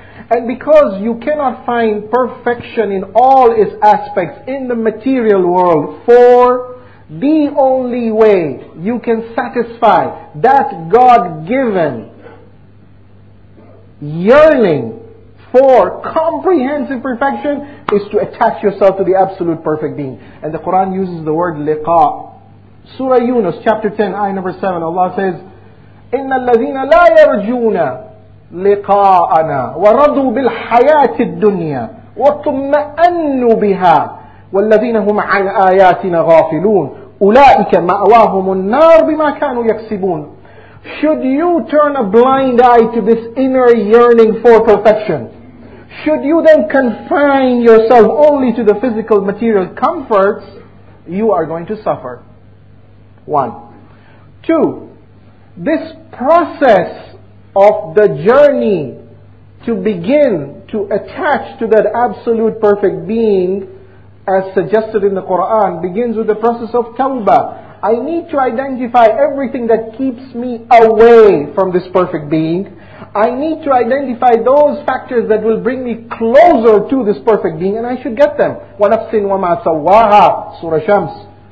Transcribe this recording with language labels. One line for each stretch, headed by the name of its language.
English: And because you cannot find perfection in all its aspects in the material world, four. The only way you can satisfy that God-given yearning for comprehensive perfection is to attach yourself to the absolute perfect being. And the Quran uses the word liqa. Surah Yunus, chapter 10, ayah number 7, Allah says,
Arabic: إِنَّ الَّذِينَ لَا يَرْجُونَ لِقَاءَنَا وَرَضُوا بِالْحَيَاةِ الدُّنْيَا وَطُمَّأَنُّوا بِهَا وَالَّذِينَ هُمْ عَنْ آيَاتِنَا غَافِلُونَ أُولَٰئِكَ مَأْوَاهُمُ النَّارُ بِمَا كَانُوا يَكْسِبُونَ.
English: Should you turn a blind eye to this inner yearning for perfection? Should you then confine yourself only to the physical material comforts? You are going to suffer. One. Two. This process of the journey to begin to attach to that absolute perfect being, as suggested in the Quran, begins with the process of tawbah. I need to identify everything that keeps me away from this perfect being. I need to identify those factors that will bring me closer to this perfect being, and I should get them.
Arabic: وَنَفْسٍ وَمَا سَوَّاهَا Surah Shams.